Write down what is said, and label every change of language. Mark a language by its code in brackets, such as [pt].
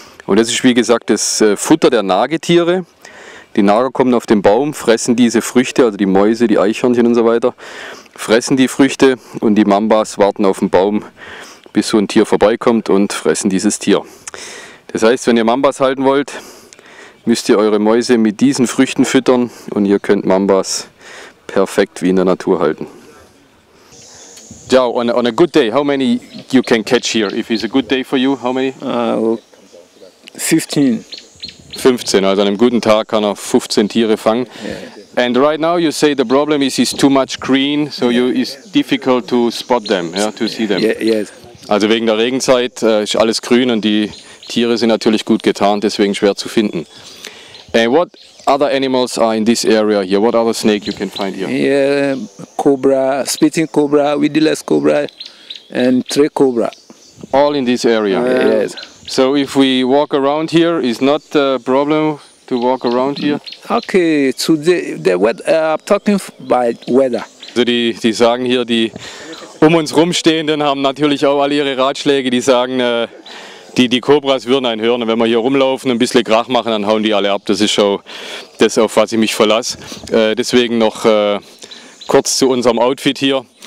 [de] Und das ist wie gesagt das Futter der Nagetiere. Die Nager kommen auf den Baum, fressen diese Früchte, also die Mäuse, die Eichhörnchen und so weiter, fressen die Früchte und die Mambas warten auf den Baum, bis so ein Tier vorbeikommt und fressen dieses Tier. Das heißt, wenn ihr Mambas halten wollt, müsst ihr eure Mäuse mit diesen Früchten füttern und ihr könnt Mambas perfekt wie in der Natur halten. [en] Joe, on a good day, how many you can catch here? If it's a good day for you, how many? 15. [de] 15, also an einem guten Tag kann er 15 Tiere fangen. [en] Yeah. And right now you say the problem is it's too much green, so you it's difficult to spot them, yeah, to see them. Yeah, yes. [de] Also wegen der Regenzeit ist alles grün und die Tiere sind natürlich gut getarnt, deswegen schwer zu finden. [en] And what other animals are in this area here? What other snake you can find here? Yeah, cobra, spitting cobra, weedless cobra, and tree cobra. All in this area? Yes. So if we walk around here, is not a problem to walk around here? Okay, today the weather, I'm talking by weather. [de] Also die sagen hier, die um uns rumstehenden haben natürlich auch alle ihre Ratschläge, die sagen, die Kobras würden einen hören. Und wenn wir hier rumlaufen und ein bisschen Krach machen, dann hauen die alle ab. Das ist schon das, auf was ich mich verlasse. Deswegen noch kurz zu unserem Outfit hier.